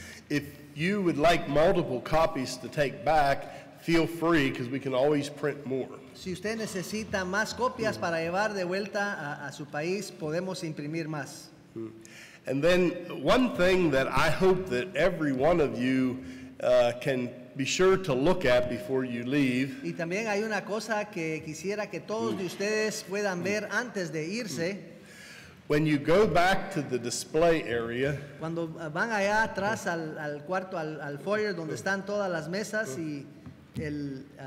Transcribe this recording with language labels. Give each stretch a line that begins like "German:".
English: If you would like multiple copies to take back, feel free, because we can always print more.
Spanish: Si usted necesita más copias para llevar de vuelta a su país, podemos imprimir más.
English: And then one thing that I hope that every one of you can be sure to look at before you leave.
Spanish: Y también hay una cosa que quisiera que todos de ustedes puedan ver antes de irse.
English: When you go back to the display area.
Spanish: Cuando van allá atrás al cuarto, al foyer, donde están todas las mesas y el...